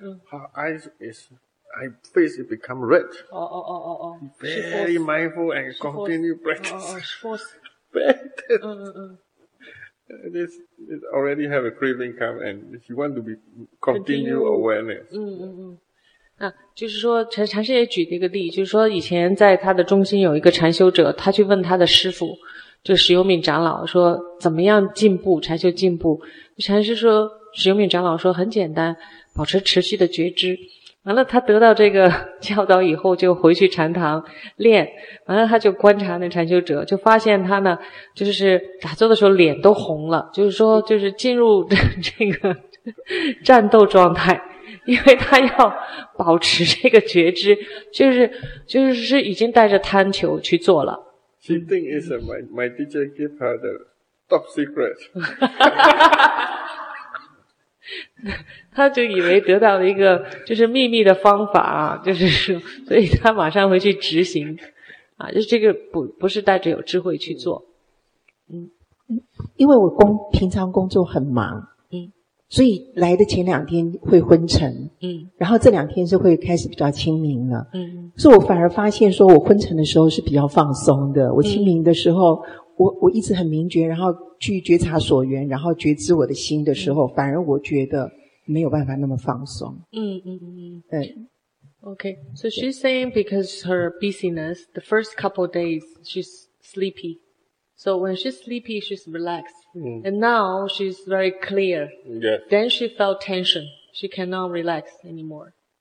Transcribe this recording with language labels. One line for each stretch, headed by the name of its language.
English: Her eyes is, her face it become red. Very she mindful and she continue forced. Practice. Better. This already have a craving come and she want to be continue awareness.
Chinese: 那就是说禅师也举了一个例，就是说以前在他的中心有一个禅修者，他去问他的师父，就石友敏长老说怎么样进步，禅修进步。禅师说，石友敏长老说很简单，保持持续的觉知。完了他得到这个教导以后就回去禅堂练，完了他就观察那禅修者，就发现他呢就是打坐的时候脸都红了，就是说就是进入这个战斗状态，因为他要保持这个觉知，就是已经带着贪求去做了。
English: She think is my teacher give her the top secret.
Chinese: 他就以为得到了一个就是秘密的方法啊，就是说所以他马上回去执行啊，就是这个不是带着有智慧去做。因为我平常工作很忙，所以来的前两天会昏沉，嗯，然后这两天是会开始比较清明了，嗯，所以我反而发现说我昏沉的时候是比较放松的，我清明的时候，嗯，我一直很明觉，然后去觉察所缘，然后觉知我的心的时候，嗯，反而我觉得没有办法那么放松，嗯嗯嗯，对。
English: Okay, so she's saying because her busyness, the first couple of days, she's sleepy. So when she's sleepy, she's relaxed. Mm. And now she's very clear. Yes. Then she felt tension. She cannot relax anymore.